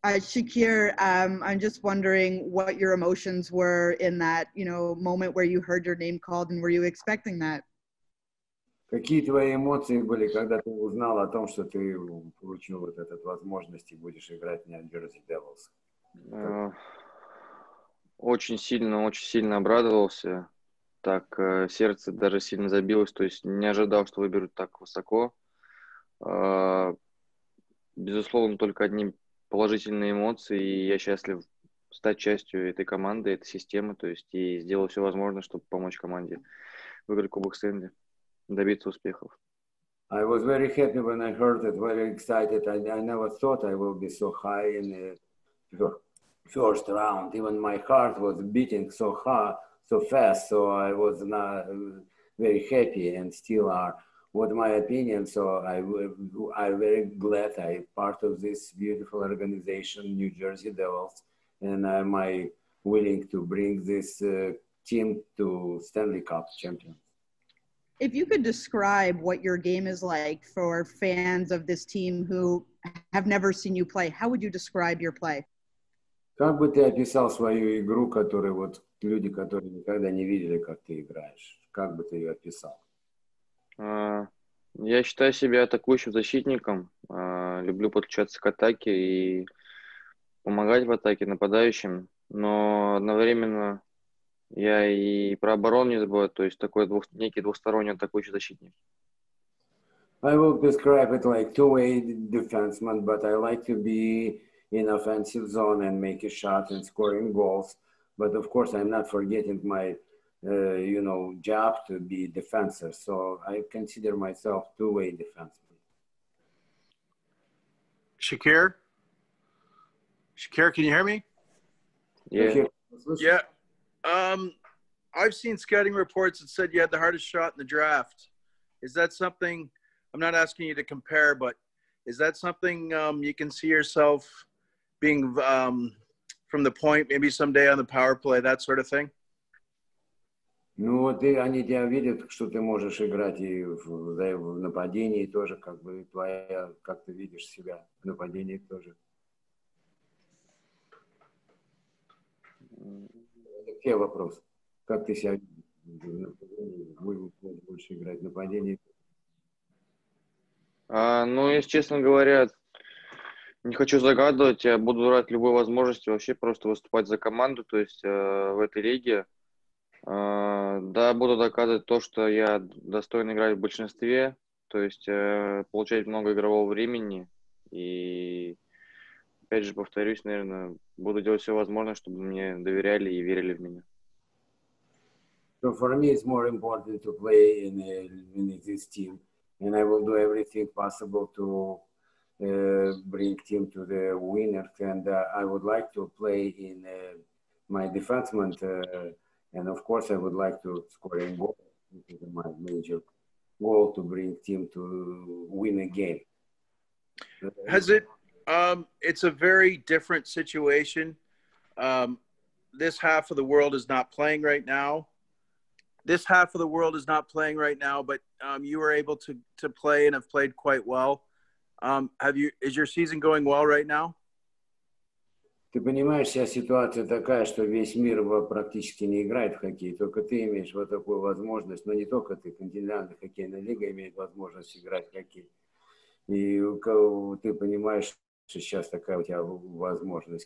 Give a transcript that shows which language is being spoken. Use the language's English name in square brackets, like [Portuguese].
[English] Shakir, I'm just wondering what your emotions were in that, you know, moment where you heard your name called, and were you expecting that? [Russian] Какие твои эмоции были, когда ты узнал о том, что ты получил вот этот возможность и будешь играть на Jersey Devils? Очень сильно обрадовался. Так, сердце даже сильно забилось, то есть не ожидал, что выберут так высоко. Безусловно, только одни положительные эмоции, и я счастлив стать частью этой команды, этой системы, то есть и сделал все возможное, чтобы помочь команде выиграть Кубок Стэнли, добиться успехов. [English] I was very happy when I heard it, very excited. I never thought I will be so high in the first round. Even my heart was beating so hard, so fast, so I was not very happy and still are. What my opinion, so I'm very glad I'm part of this beautiful organization, New Jersey Devils, and am I willing to bring this team to Stanley Cup champion. If you could describe what your game is like for fans of this team who have never seen you play, how would you describe your play? [Russian] Как бы ты описал свою игру, которую вот люди, которые никогда не видели, как ты играешь, как бы ты ее описал? Я считаю себя атакующим защитником. Люблю подключаться к атаке и помогать в атаке нападающим. Но одновременно я и про оборону не забываю, то есть такой некий двухсторонний атакующий защитник. [English] I will describe it like two-way defenseman, but I like to be in offensive zone and make a shot and scoring goals. But of course, I'm not forgetting my you know, job to be defensive. So I consider myself two-way defenseman. Shakir? Shakir, can you hear me? Yeah. Yeah. I've seen scouting reports that said you had the hardest shot in the draft. Is that something, I'm not asking you to compare, but is that something you can see yourself being from the point, maybe someday on the power play, that sort of thing? [Russian] Ну, вот и они тебя видят, что ты можешь играть и в нападении тоже, как бы твоя, как ты видишь себя в нападении тоже. Какие вопросы? Как ты себя видишь в нападении? Будешь больше играть в нападении? Ну, если честно говоря, не хочу загадывать, я буду рад любой возможности вообще просто выступать за команду, то есть в этой лиге. Да, буду доказывать то, что я достоин играть в большинстве, то есть получать много игрового времени. И опять же повторюсь, наверное, буду делать все возможное, чтобы мне доверяли и верили в меня. [English] So for me it's more important to play in this team, and I will do everything possible to bring team to the winner. And I would like to play in my defenseman. And of course, I would like to score a goal. This is my major goal to bring team to win a game. Has it? It's a very different situation. This half of the world is not playing right now. This half of the world is not playing right now. But you were able to play and have played quite well. Is your season going well right now? [Russian] Ты понимаешь, вся ситуация такая, что весь мир практически не играет в хоккей. Только ты имеешь вот такую возможность. Но не только ты. Континентальная хоккейная лига имеет возможность играть в хоккей. И ты понимаешь, что сейчас такая у тебя возможность.